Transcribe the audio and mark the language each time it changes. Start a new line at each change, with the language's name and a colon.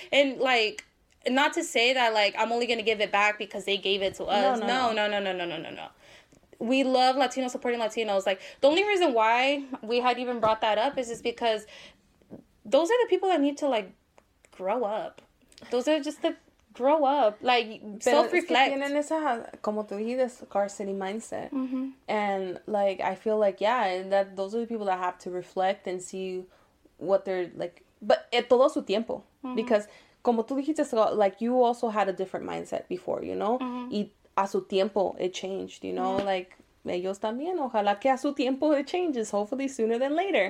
English: And, like, not to say that, like, I'm only going to give it back because they gave it to us. No. We love Latinos supporting Latinos. Like, the only reason why we had even brought that up is just because those are the people that need to, like, grow up. Those are just the... Grow up, like, pero self-reflect.
Spanish: Es que tienen esa, como tú dijiste,
English: scarcity mindset. Mm-hmm. And, like, I feel like, yeah, that those are the people that have to reflect and see what they're, like, but
Spanish: todo su tiempo.
English: Mm-hmm. Because,
Spanish: como tú dijiste,
English: like, you also had a different mindset before, you know? Mm-hmm.
Spanish: Y a su tiempo,
English: it changed, you know? Mm-hmm. Like,
Spanish: ellos también, ojalá que a su tiempo
English: it changes, hopefully sooner than later.